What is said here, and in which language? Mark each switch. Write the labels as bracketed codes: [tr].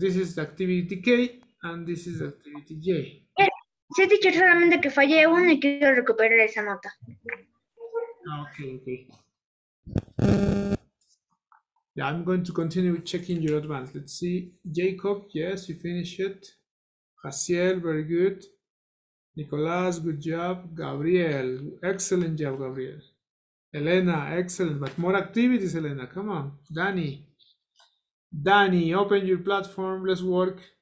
[en] This is activity K and this is activity J. [es] Sí, teacher, solamente que fallé uno y quiero recuperar esa nota. [en] Okay. Yeah, I'm going to continue checking your advance. Let's see. Jacob, yes, you finished it. Jaciel, very good. Nicolás, good job. Gabriel, excellent job, Gabriel. Elena, excellent. But more activities, Elena. Come on. Dani, open your platform. Let's work.